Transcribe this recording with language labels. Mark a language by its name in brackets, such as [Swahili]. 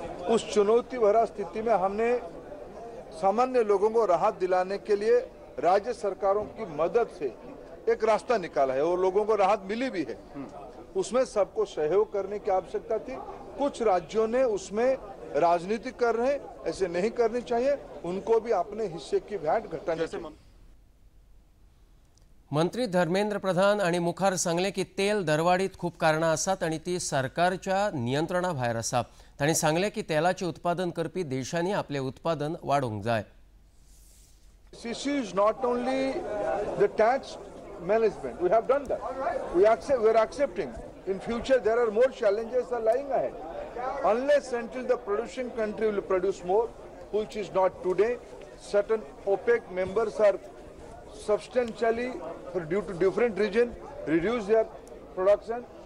[Hindi] उस चुनौती भरा स्थिति में हमने सामान्य लोगों को राहत दिलाने के लिए राज्य सरकारों की मदद से एक रास्ता निकाला है और लोगों को राहत मिली भी है. उसमें सबको सहयोग करने की आवश्यकता थी. कुछ राज्यों ने उसमें राजनीति कर रहे, ऐसे नहीं करनी चाहिए. उनको भी अपने हिस्से की भेंट घटानी चाहिए. [Konkani] मंत्री धर्मेंद्र प्रधान आणि मुखार सांगले की तेल दरवाढीत खूप कारणां आसात आणि ती सरकारच्या नियंत्रणा भायर आसा. तांणी सांगले की तेलाचे उत्पादन करपी देशांनी आपले उत्पादन वाढवूंक जाय. [English] This is not only the tax management. We have done that. We are accepting. In future there are more challenges are lying ahead. Unless until the producing country will produce more, which is not today, certain OPEC members are substantially for due to different region reduce their production.